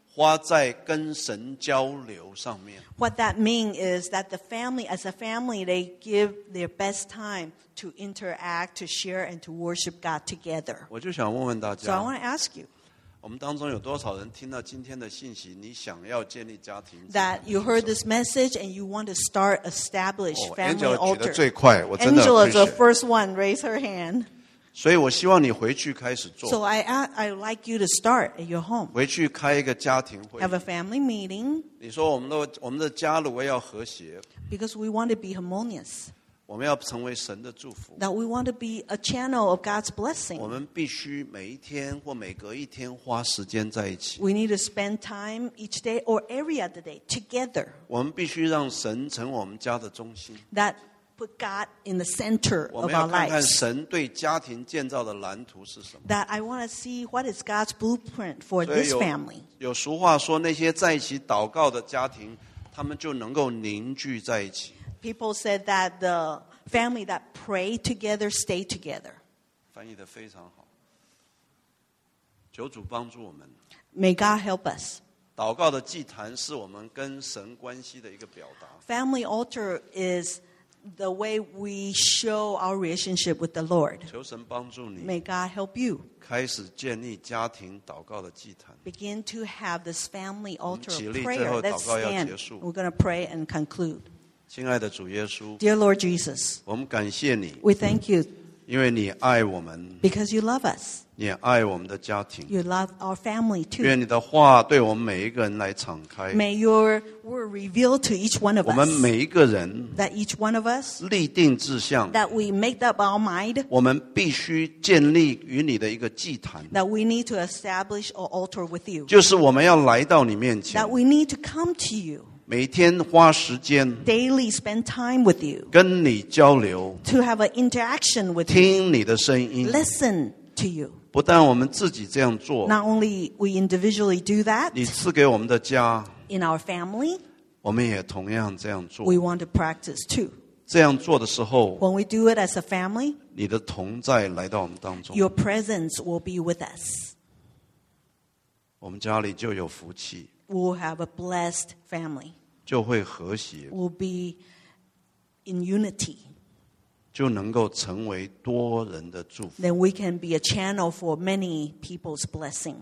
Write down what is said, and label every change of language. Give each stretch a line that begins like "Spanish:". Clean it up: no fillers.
Chinese: 家庭祭坛就是家里的人把最好的时间花在跟神交流上面。
English: What that means is that the family, as a family, they give their best time to interact, to share, and to worship God together.
Chinese: 我就想问问大家,
English: so I want to ask you,
Chinese: 我们当中有多少人听到今天的信息, 你想要建立家庭祭坛,
English: that you heard this message and you want to start establish family altar.
Chinese: Angela 举得最快, 我真的很谢谢。
English: Angela's the first one, raise her hand.
Chinese: 所以我希望你回去开始做。
English: So I'd like you to start at your home.
Chinese: 回去开一个家庭会。
English: Have a family meeting.
Chinese: 你说我们的家如果要和谐,
English: because we want to be harmonious.
Chinese: 我们要成为神的祝福。
English: That we want to be a channel of God's blessing.
Chinese: 我们必须每一天或每隔一天花时间在一起。
English: We need to spend time each day or every other day together.
Chinese: 我们必须让神成我们家的中心。
English: That put God in the center of our lives. That I want to see what is God's blueprint for this family.
Chinese: 有俗话说那些在一起祷告的家庭他们就能够凝聚在一起。
English: People said that the family that pray together stay together.
Chinese: 翻译得非常好。求主帮助我们。
English: May God help us.
Chinese: 祷告的祭坛是我们跟神关系的一个表达。
English: Family altar is the way we show our relationship with the Lord.
Chinese: 求神帮助你,
English: may God help you.
Chinese: 开始建立家庭祷告的祭坛,
English: begin to have this family altar of prayer.
Chinese: 我们起立之后祷告要结束。
English: We're going to pray and conclude.
Chinese: 亲爱的主耶稣,
English: dear Lord Jesus,
Chinese: 我们感谢你,
English: we thank you.
Chinese: 因为你爱我们,
English: because you love us.
Chinese: 你也爱我们的家庭,
English: you love our family too.
Chinese: 愿你的话对我们每一个人来敞开,
English: may your word reveal to each one of us.
Chinese: 我们每一个人,
English: that each one of us,
Chinese: 立定志向,
English: that we make up our mind.
Chinese: 我们必须建立与你的一个祭坛,
English: that we need to establish an altar with you.
Chinese: 就是我们要来到你面前,
English: that we need to come to you.
Chinese: 每天花时间
English: daily spend time with you,
Chinese: 跟你交流
English: to have an interaction with you,
Chinese: 听你的声音
English: listen to you.
Chinese: 不但我们自己这样做
English: not only we individually do that,
Chinese: 你赐给我们的家
English: in our family,
Chinese: 我们也同样这样做
English: we want to practice too.
Chinese: 这样做的时候
English: when we do it as a family,
Chinese: 你的同在来到我们当中
English: your presence will be with us.
Chinese: 我们家里就有福气
English: we'll have a blessed family.
Chinese: 就会和谐
English: we'll be in unity.
Chinese: 就能够成为多人的祝福
English: then we can be a channel for many people's blessing.